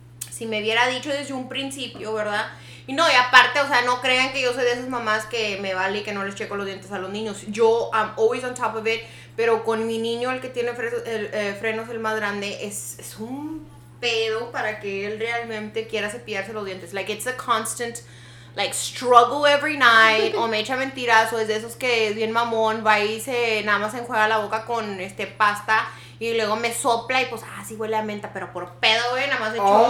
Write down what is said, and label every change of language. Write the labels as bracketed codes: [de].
[es] Si me hubiera dicho desde un principio, ¿verdad? Y no, y aparte, o sea, no crean que yo soy de esas mamás que me vale y que no les checo los dientes a los niños. Yo, I'm always on top of it. Pero con mi niño, el que tiene frenos, el más grande, es un pedo para que él realmente quiera cepillarse los dientes. [en] Like, it's a constant, like, struggle every night. [es] O me echa mentiras, o es de esos que es bien mamón, va y se nada más enjuaga la boca con pasta. Y luego me sopla y pues, sí huele a menta, pero por pedo, güey, nada más echó